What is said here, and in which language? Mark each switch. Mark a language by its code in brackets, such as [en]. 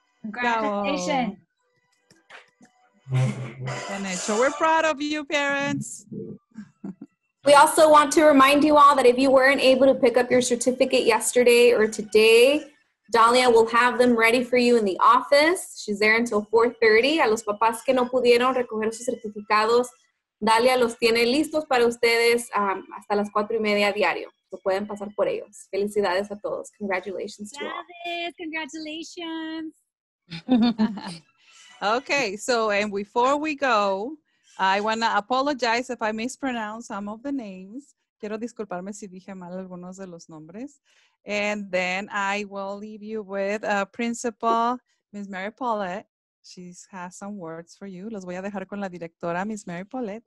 [en] Congratulations. [es] Bien hecho. [en] We're proud of you, parents. We also want to remind you all that if you weren't able to pick up your certificate yesterday or today, Dalia will have them ready for you in the office. She's there until 4:30. [es] A los papás que no pudieron recoger sus certificados, Dalia los tiene listos para ustedes hasta las 4:30 diario. Lo pueden pasar por ellos. Felicidades a todos. [en] Congratulations to all. Congratulations. Okay, so and before we go, I want to apologize if I mispronounce some of the names. [es] Quiero disculparme si dije mal algunos de los nombres. [en] And then I will leave you with Principal Ms. Mary Paulette. She has some words for you. [es] Los voy a dejar con la directora, Miss Mary Paulette.